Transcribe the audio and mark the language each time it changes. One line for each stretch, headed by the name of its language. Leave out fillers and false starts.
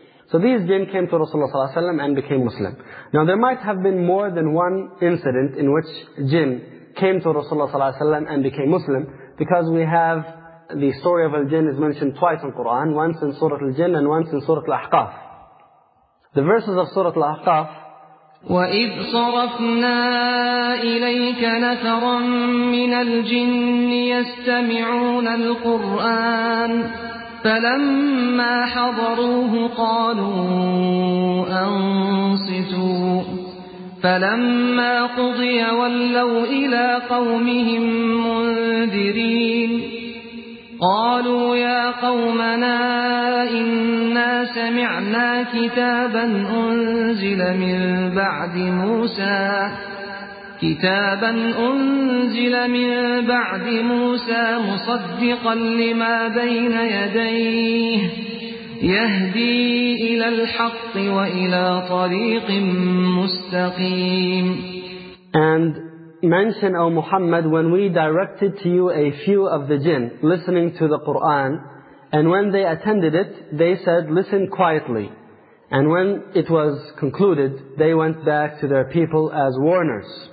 English: So these jinn came to Rasulullah ﷺ and became Muslim. Now there might have been more than one incident in which jinn came to Rasulullah ﷺ and became Muslim. Because we have the story of al-jinn is mentioned twice in Quran. Once in Surah al-Jinn and once in Surah al-Ahqaf. The verses of Surah al-Ahqaf.
Arabic: وَإِذْ صَرَفْنَا إِلَيْكَ نَفَرًا مِنَ الْجِنِّ يَسْتَمِعُونَ الْقُرْآنَ فَلَمَّا حَضَرُوهُ قَالُوا أَنصِتُوا فَلَمَّا قُضِيَ وَلَّوْا إِلَى قَوْمِهِمْ مُنذِرِينَ قالوا يا قومنا إنا سمعنا كتابا أنزل من بعد موسى كتابا أنزل من بعد موسى مصدقا لما بين يديه يهدي إلى الحق وإلى طريق مستقيم.
English: And mention, O Muhammad, when we directed to you a few of the jinn listening to the Qur'an, and when they attended it, they said, listen quietly. And when it was concluded, they went back to their people as warners.